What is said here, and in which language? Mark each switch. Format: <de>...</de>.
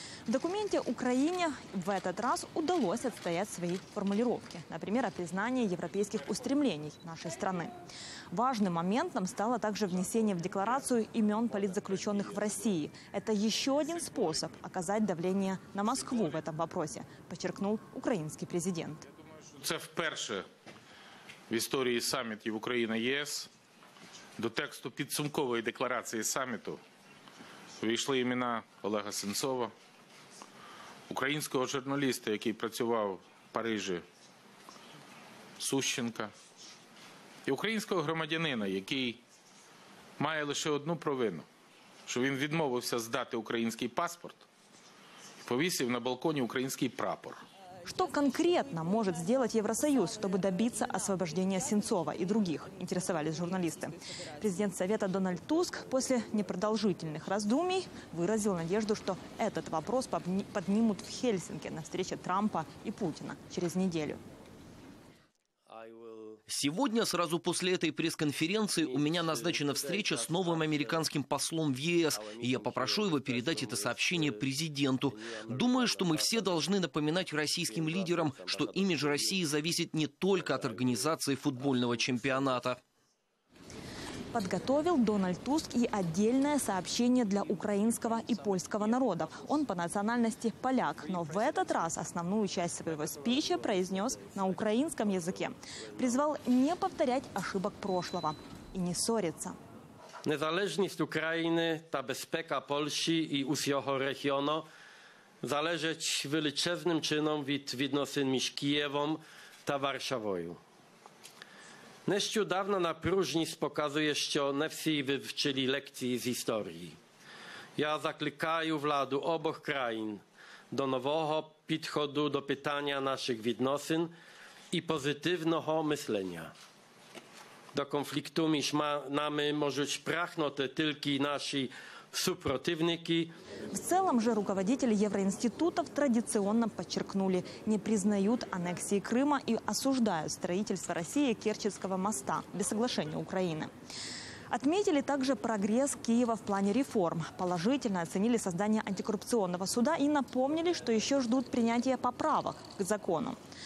<ru>В документе Украине в этот раз удалось отстоять свои формулировки, например, о признании европейских устремлений нашей страны. Важным моментом стало также внесение в декларацию имен политзаключенных в России. Это еще один способ оказать давление на Москву в этом вопросе, подчеркнул украинский президент.</ru> <uk>Це вперше в історії самітів Україна-ЄС до тексту підсумкової декларації саміту увійшли імена Олега Сенцова, українського журналіста, який працював в Парижі, Сущенка, і українського громадянина, який має лише одну провину, що він відмовився здати український паспорт і повісив на балконі український прапор.</uk> <ru>Что конкретно может сделать Евросоюз, чтобы добиться освобождения Сенцова и других, интересовались журналисты. Президент Совета Дональд Туск после непродолжительных раздумий выразил надежду, что этот вопрос поднимут в Хельсинки на встрече Трампа и Путина через неделю. Сегодня, сразу после этой пресс-конференции, у меня назначена встреча с новым американским послом в ЕС, и я попрошу его передать это сообщение президенту. Думаю, что мы все должны напоминать российским лидерам, что имидж России зависит не только от организации футбольного чемпионата. Подготовил Дональд Туск и отдельное сообщение для украинского и польского народов. Он по национальности поляк, но в этот раз основную часть своего спича произнес на украинском языке. Призвал не повторять ошибок прошлого и не ссориться.</ru> <uk>Незалежність України та безпека Польщі і усього регіону залежать величезним чином від відносин між Києвом та Варшавою. Нещодавно напруженість показує, що не всі вивчили лекції з історії. Я закликаю владу обох країн до нового підходу до питання наших відносин і позитивного мислення. До конфлікту між нами можуть прагнути тільки наші супротивники.</uk> <ru>В целом же руководители евроинститутов традиционно подчеркнули, не признают аннексии Крыма и осуждают строительство России Керченского моста без соглашения Украины. Отметили также прогресс Киева в плане реформ. Положительно оценили создание антикоррупционного суда и напомнили, что еще ждут принятия поправок к закону.</ru>